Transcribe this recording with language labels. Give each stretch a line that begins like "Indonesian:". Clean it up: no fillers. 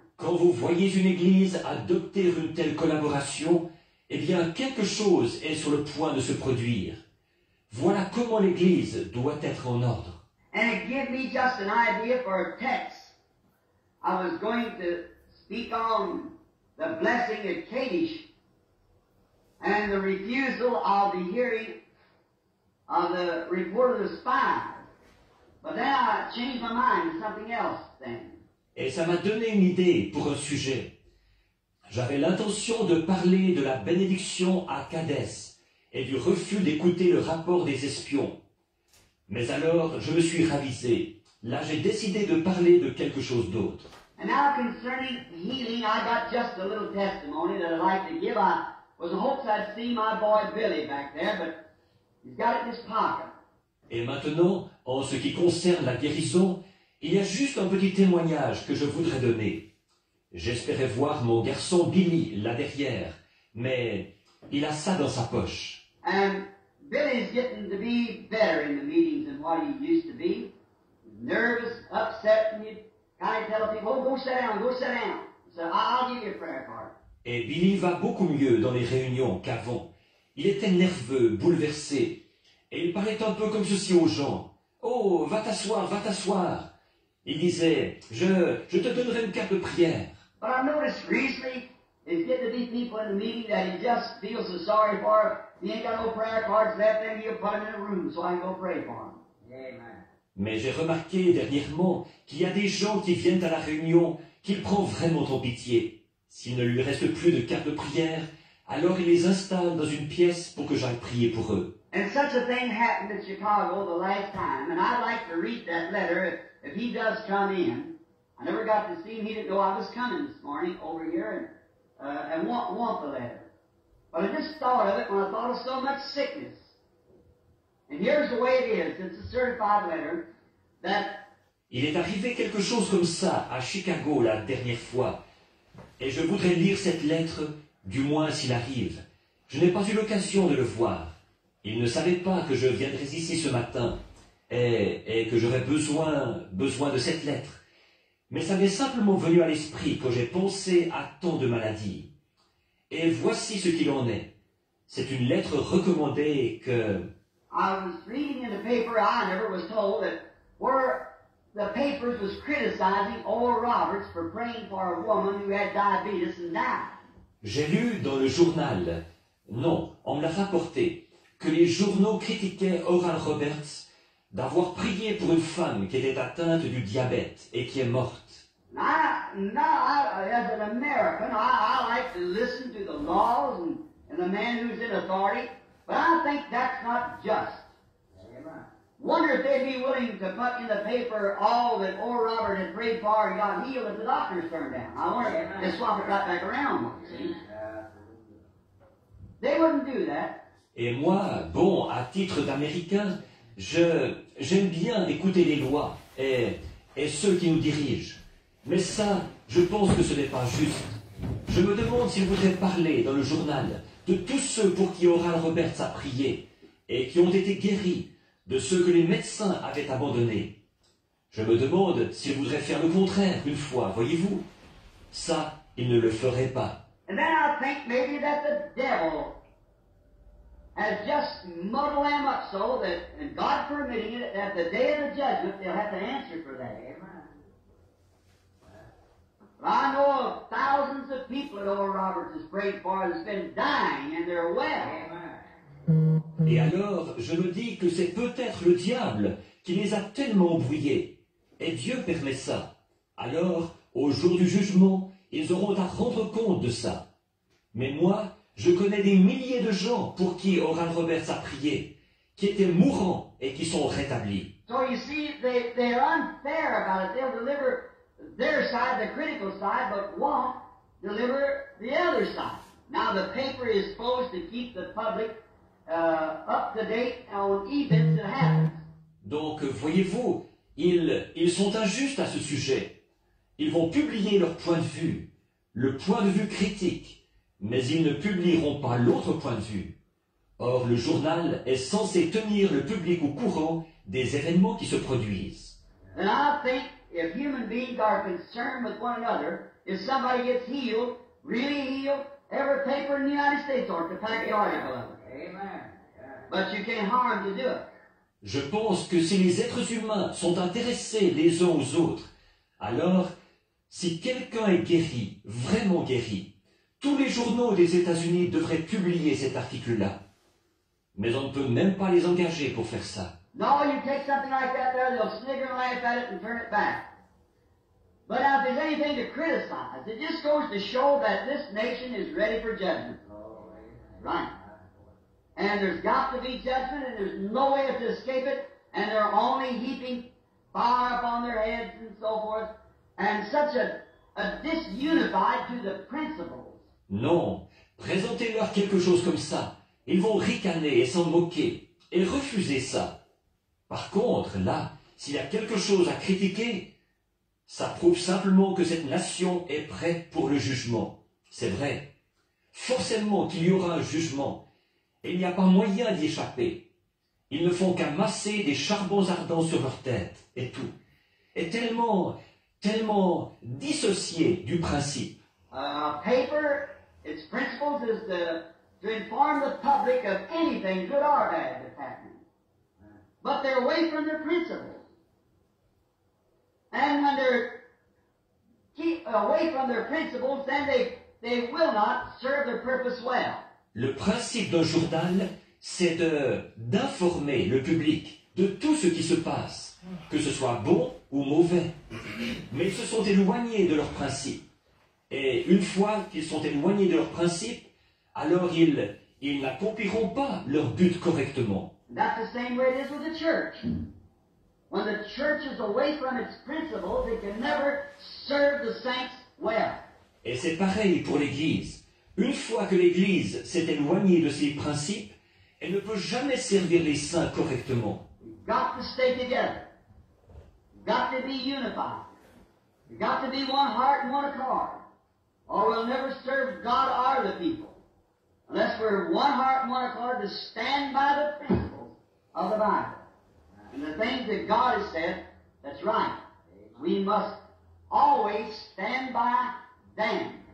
French: Quand vous voyez une église adopter une telle collaboration, eh bien, quelque chose est sur le point de se produire. Voilà comment l'église doit être en ordre.
English: And it gave me just an idea for a text. I was going to speak on the blessing at Kadesh and the refusal of the hearing of the report of the spies. But then I changed my mind to something else then.
French: Et ça m'a donné une idée pour un sujet. J'avais l'intention de parler de la bénédiction à Kadesh et du refus d'écouter le rapport des espions. Mais alors, je me suis ravisé. Là, j'ai décidé de parler de quelque chose d'autre.
English: And now concerning healing, I got just a little testimony that I'd like to give. I was in hopes I'd see my boy Billy back there, but he's got it in his pocket.
French: Et maintenant, en ce qui concerne la guérison, il y a juste un petit témoignage que je voudrais donner. J'espérais voir mon garçon Billy là derrière, mais il a ça dans sa poche.
English: And Billy's getting to be better in the meetings than what he used to be. Nervous, upset, and you kind of tell people, oh, go sit down. So I'll give you a prayer card.
French: Et Billy va beaucoup mieux dans les réunions qu'avant. Il était nerveux, bouleversé, et il parlait un peu comme ceci aux gens. Oh, va t'asseoir. Il disait, je te donnerai une carte de prière.
English: But I noticed recently, it's getting to be people in the meeting that he just feels so sorry for. He ain't got no prayer cards left, and he'll put them in a room so I can go pray for him. Amen.
French: Mais j'ai remarqué dernièrement qu'il y a des gens qui viennent à la réunion qu'il prend vraiment en pitié. S'il ne lui reste plus de carte de prière, alors il les installe dans une pièce pour que j'aille prier pour eux.
English: And such a thing happened in Chicago the last time, and I'd like to read that letter if he does come in. I never got to see him. He didn't know I was coming this morning over here and want the letter. But I just thought of it when I thought of so much sickness. And here's the way it is. It's a certified letter that...
French: Il est arrivé quelque chose comme ça à Chicago la dernière fois. Et je voudrais lire cette lettre, du moins s'il arrive. Je n'ai pas eu l'occasion de le voir. Il ne savait pas que je viendrais ici ce matin et que j'aurais besoin de cette lettre. Mais ça m'est simplement venu à l'esprit quand j'ai pensé à tant de maladies. Et voici ce qu'il en est. C'est une lettre recommandée que...
English: I was reading in the paper, I never was told, that where the papers was criticizing Oral Roberts for praying for a woman who had diabetes and died.
French: J'ai lu dans le journal, non, on me l'a rapporté, que les journaux critiquaient Oral Roberts d'avoir prié pour une femme qui était atteinte du diabète et qui est morte.
English: As an American, I like to listen to the laws and the man who's in authority. But I think that's not just. Amen. Wonder if they'd be willing to put in the paper all that Oral Roberts had prayed for and got healed if the doctors turned down. I wonder if they'd swap it right back around. They wouldn't do that.
French: Et moi, bon, à titre d'Américain, j'aime bien écouter les lois et ceux qui nous dirigent. Mais ça, je pense que ce n'est pas juste. Je me demande s'il voudrait parler dans le journal de tous ceux pour qui Oral Roberts a prié et qui ont été guéris de ceux que les médecins avaient abandonnés. Je me demande s'il voudrait faire le contraire une fois, voyez-vous. Ça, il ne le ferait pas.
English: And then I think maybe that the devil has just muddled them up so that, and God permitting it, at the day of the judgment, they'll have to answer for that. Amen. But I know of thousands of people that Oral Roberts has prayed for that's been dying and they're well. Amen.
French: Et alors, je me dis que c'est peut-être le diable qui les a tellement embrouillés. Et Dieu permet ça. Alors, au jour du jugement, ils auront à rendre compte de ça. Mais moi, je connais des milliers de gens pour qui Oral Roberts a prié, qui étaient mourants et qui sont rétablis.
English: So you see, they're unfair about it. They'll deliver their side, the critical side, but won't deliver the other side. Now the paper is supposed to keep the public up to date on events that happen.
French: Donc, voyez-vous, ils sont injustes à ce sujet. Ils vont publier leur point de vue, le point de vue critique. Mais ils ne publieront pas l'autre point de vue. Or, le journal est censé tenir le public au courant des événements qui se produisent.
English: And I think if human beings are concerned with one another, if somebody gets healed, really healed, every paper in the United States ought to pack the article up. Amen. But you can't harm to do it.
French: Je pense que si les êtres humains sont intéressés les uns aux autres, alors si quelqu'un est guéri, vraiment guéri, tous les journaux des États-Unis devraient publier cet article-là. Mais on ne peut même pas les engager pour faire ça.
English: No, you take something like that there, they'll snigger and laugh at it and turn it back. But if there's anything to criticize, it just goes to show that this nation is ready for judgment. Right. And there's got to be judgment, and there's no way to escape it, and they're only heaping fire upon their heads and so forth, and such a disunified to the principles.
French: Non, présentez-leur quelque chose comme ça. Ils vont ricaner et s'en moquer et refuser ça. Par contre, là, s'il y a quelque chose à critiquer, ça prouve simplement que cette nation est prête pour le jugement. C'est vrai. Forcément qu'il y aura un jugement. Et il n'y a pas moyen d'y échapper. Ils ne font qu'amasser des charbons ardents sur leur tête et tout. Et tellement, tellement dissociés du principe.
English: Paper, its principles is to inform the public of anything good or bad that's happening. But they're away from their principles. And when they're keep away from their principles, then they will not serve their purpose well.
French: Le principe d'un journal, c'est d'informer le public de tout ce qui se passe, que ce soit bon ou mauvais. Mais ils se sont éloignés de leurs principes. Et une fois qu'ils sont éloignés de leurs principes, alors ils n'accompliront pas leur but correctement.
English: That's the same way it is with the church. When the church is away from its principles, it can never serve the saints well.
French: Et c'est pareil pour l'Église. Une fois que l'Église s'est éloignée de ses principes, elle ne peut jamais servir les saints correctement.
English: Got to stay together. Got to be unified. Got to be one heart and one accord. Or we'll never serve God or the people. Unless we're one heart and one accord to stand by the principles of the Bible. And the things that God has said, that's right. We must always stand by them.